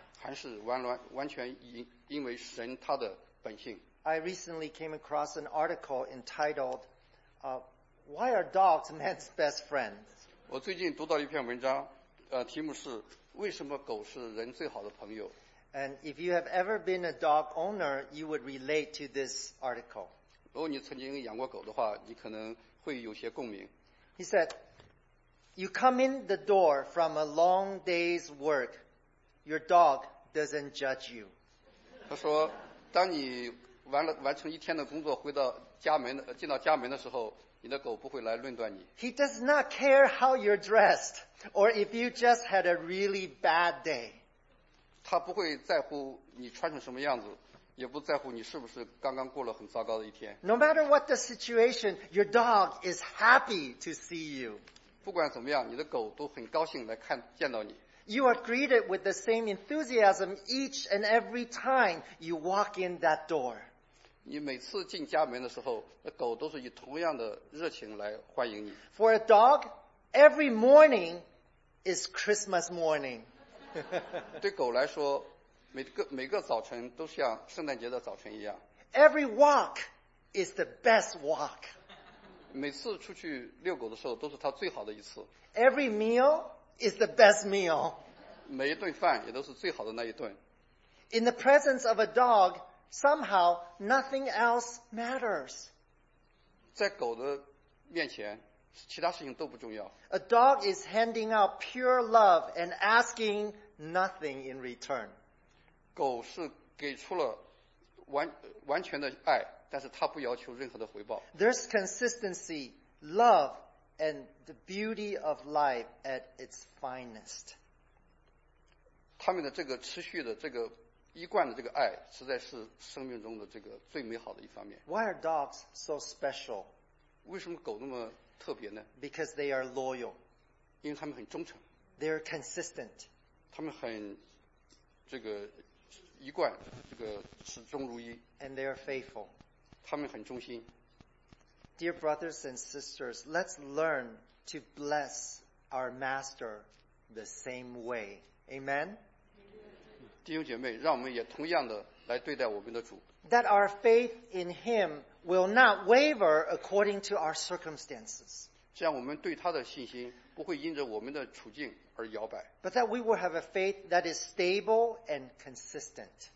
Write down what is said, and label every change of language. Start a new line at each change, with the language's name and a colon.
Chinese: 还是完全因为神他的本性。
English: I recently came across an article entitled, Why Are Dogs Man's Best Friend?
Chinese: 我最近读到一篇文章，题目是为什么狗是人最好的朋友。
English: And if you have ever been a dog owner, you would relate to this article.
Chinese: 如果你曾经养过狗的话，你可能会有些共鸣。
English: He said, you come in the door from a long day's work. Your dog doesn't judge you.
Chinese: 他说，当你完成一天的工作，回到家门，进到家门的时候，你的狗不会来论断你。
English: He does not care how you're dressed or if you just had a really bad day.
Chinese: 他不会在乎你穿成什么样子，也不在乎你是不是刚刚过了很糟糕的一天。
English: No matter what the situation, your dog is happy to see you.
Chinese: 不管怎么样，你的狗都很高兴来见到你。
English: You are greeted with the same enthusiasm each and every time you walk in that door.
Chinese: 你每次进家门的时候，那狗都是以同样的热情来欢迎你。
English: For a dog, every morning is Christmas morning.
Chinese: 对狗来说，每个早晨都像圣诞节的早晨一样。
English: Every walk is the best walk.
Chinese: 每次出去遛狗的时候都是他最好的一次。
English: Every meal is the best meal.
Chinese: 每一顿饭也都是最好的那一顿。
English: In the presence of a dog, somehow nothing else matters.
Chinese: 在狗的面前其他事情都不重要。
English: A dog is handing out pure love and asking nothing in return.
Chinese: 狗是给出了 完全的爱，但是它不要求任何的回报。
English: There's consistency, love, and the beauty of life at its finest.
Chinese: 他们的这个持续的这个一贯的这个爱实在是生命中的这个最美好的一方面。
English: Why are dogs so special?
Chinese: 为什么狗那么特别呢？
English: Because they are loyal.
Chinese: 因为他们很忠诚。
English: They're consistent.
Chinese: 他们很这个一贯，这个始终如一。
English: And they are faithful.
Chinese: 他们很忠心。
English: Dear brothers and sisters, let's learn to bless our master the same way. Amen.
Chinese: 弟兄姐妹，让我们也同样的来对待我们的主。
English: That our faith in him will not waver according to our circumstances.
Chinese: 这样我们对他的信心不会因着我们的处境而摇摆。
English: But that we will have a faith that is stable and consistent.